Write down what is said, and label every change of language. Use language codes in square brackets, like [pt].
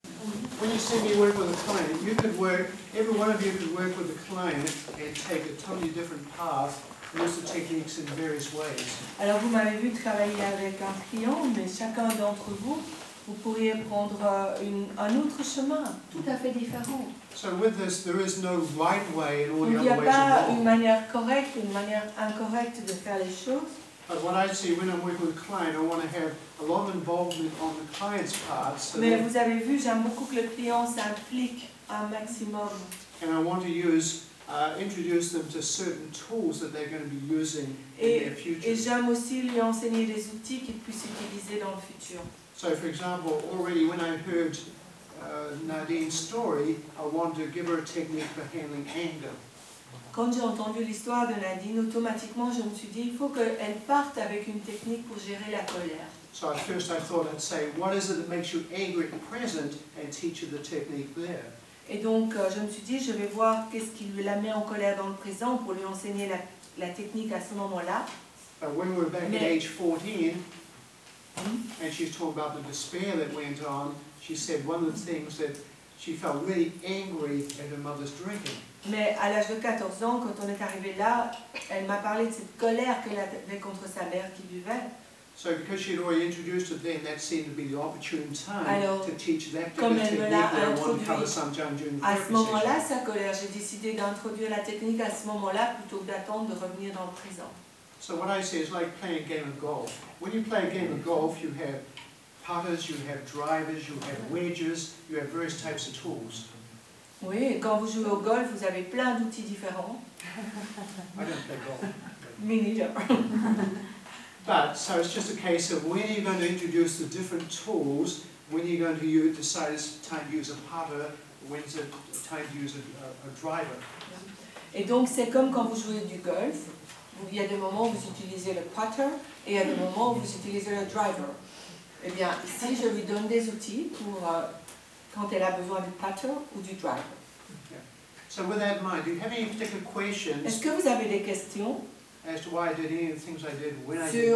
[en] when you said you work with a client, you could work, every one of you could work with a client and take a totally different path, use the techniques in various ways. [fr] Alors vous m'avez vu travailler avec un client, mais chacun d'entre vous, vous pourriez prendre un autre chemin, tout à fait différent. [en] So with this, there is no right way and all the other ways wrong. [fr] Il n'y a pas une manière correcte, une manière incorrecte de faire les choses. [en] But what I see when I'm working with a client, I want to have a lot of involvement on the client's part. So [fr] mais vous avez vu, j'aime beaucoup que le client s'implique un maximum. [en] And I want to use, introduce them to certain tools that they're going to be using in their future. [fr] Et j'aime aussi lui enseigner des outils qu'il puisse utiliser dans le futur. [en] So for example, already when I heard Nadine's story, I wanted to give her a technique for handling anger. [fr] Quand j'ai entendu l'histoire de Nadine, automatiquement je me suis dit, il faut qu'elle parte avec une technique pour gérer la colère. [en] So at first I thought I'd say, what is it that makes you angry at the present, and teach her the technique there. [fr] Et donc je me suis dit, je vais voir qu'est-ce qui la met en colère dans le présent pour lui enseigner la technique à ce moment-là. [en] But when we were back at age 14, and she's talking about the despair that went on, she said one of the things that she felt really angry at her mother's drinking. [fr] Mais à l'âge de 14 ans, quand on est arrivé là, elle m'a parlé de cette colère qu'elle avait contre sa mère qui buvait. [en] So because she'd already introduced it then, that seemed to be the opportune time. [fr] Alors, [en] to teach that particular technique. [fr] À ce moment-là, sa colère, j'ai décidé d'introduire la technique à ce moment-là plutôt que d'attendre de revenir dans le présent. [en] So what I say is like playing a game of golf. When you play a game of golf, you have putters, you have drivers, you have wedges, you have various types of tools. [fr] Oui, quand vous jouez au golf, vous avez plein d'outils différents. [en] I don't play golf. Me neither. But so it's just a case of when you're going to introduce the different tools, when you're going to decide it's time to use a putter, when it's time to use a driver. [fr] Et donc c'est comme quand vous jouez du golf. Il y a des moments où vous utilisez le putter et il y a des moments où vous utilisez le driver. Eh bien, ici, je lui donne des outils pour quand elle a besoin du putter ou du driver. [en] So with that in mind, do you have any particular questions? [fr] Est-ce que vous avez des questions? [en] As to why I did any of the things I did, when I did them.